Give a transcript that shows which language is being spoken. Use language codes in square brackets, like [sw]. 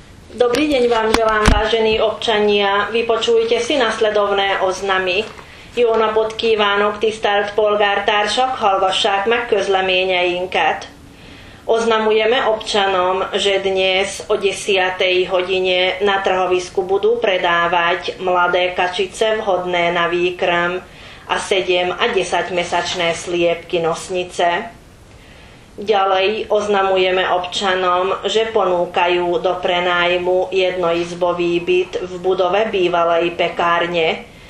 [sk] Dobrý deň vám želám, vážení občania. Vypočujte si nasledovné oznamy. [hu] Jó napot kívánok, tisztelt polgártársak, hallgassák meg közleményeinket. [sk] Oznamujeme občanom, že dnes o 10. hodine na trhovisku budú predávať mladé kačice vhodné na výkrm a 7 a 10 mesačné sliepky nosnice. Ďalej oznamujeme občanom, že ponúkajú do prenájmu jednoizbový byt v budove bývalej pekárne.